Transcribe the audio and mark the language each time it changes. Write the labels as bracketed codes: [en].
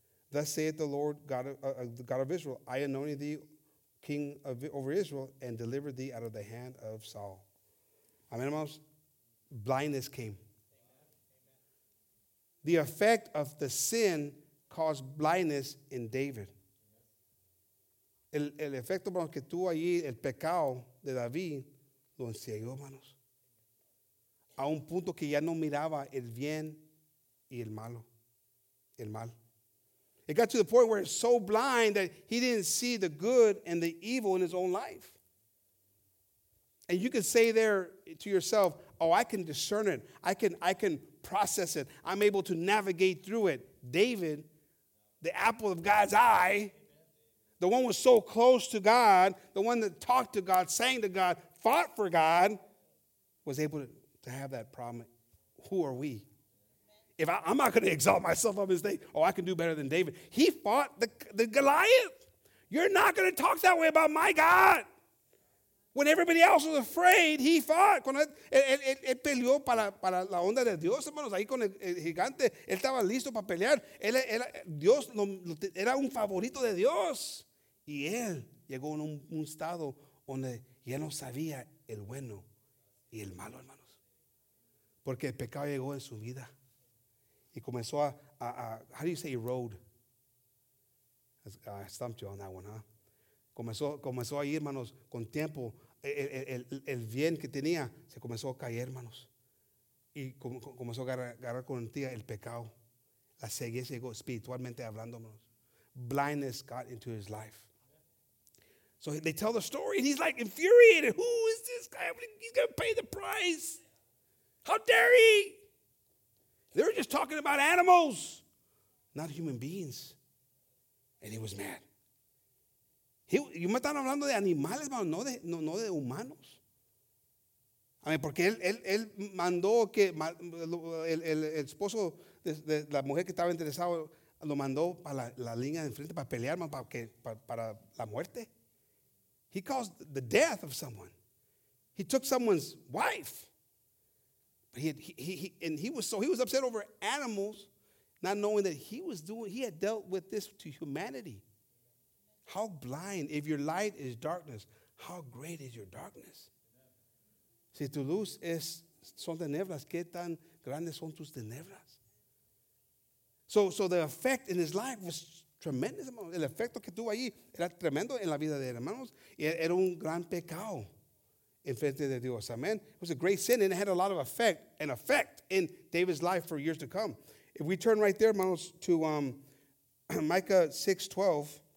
[en] Thus saith the Lord, the God of Israel, I anointed thee king over Israel and delivered thee out of the hand of Saul. Amen, hermanos. Blindness came. The effect of the sin caused blindness in David. [es] El efecto que tuvo allí, el pecado de David, lo enciegó, hermanos. A un punto que ya no miraba el bien y el malo, el mal. [en] It got to the point where it's so blind that he didn't see the good and the evil in his own life. And you can say there to yourself, oh, I can discern it. I can process it. I'm able to navigate through it. David, the apple of God's eye, the one who was so close to God, the one that talked to God, sang to God, fought for God, was able to have that problem. Who are we? If I'm not going to exalt myself up his name, oh, I can do better than David. He fought the Goliath. You're not going to talk that way about my God. When everybody else was afraid, he fought. [es] Él peleó para la onda de Dios, hermanos, ahí con el gigante. Él estaba listo para pelear. Dios era un favorito de Dios. Y él llegó en un estado donde ya no sabía el bueno y el malo, hermanos. Porque el pecado llegó en su vida. Y comenzó a [en] how do you say erode? I stumped you on that one, huh? [es] Comenzó a ir, hermanos, con tiempo. El bien que tenía se comenzó a caer, hermanos. Y comenzó a agarrar con tía el pecado. La ceguez llegó espiritualmente hablando, hermanos. [en] Blindness got into his life. So they tell the story, and he's like infuriated. Who is this guy? He's going to pay the price. How dare he? They were just talking about animals, not human beings. And he was mad. [es] Yo me estaba hablando de animales, hermano, no de humanos. A ver, porque él mandó que el esposo de la mujer que estaba interesado lo mandó para la línea de enfrente para pelear, hermano, para la muerte. [en] He caused the death of someone. He took someone's wife. But he was upset over animals, not knowing that he had dealt with this to humanity. How blind, if your light is darkness, how great is your darkness? [es] Si tu luz es son tinieblas, ¿qué tan grandes son tus tinieblas? [en] So the effect in his life was tremendous. [es] El efecto que tuvo ahí era tremendo en la vida de hermanos. Era un gran pecado en frente de Dios. [en] Amen. It was a great sin, and it had a lot of effect in David's life for years to come. If we turn right there, hermanos, to Micah 6:12.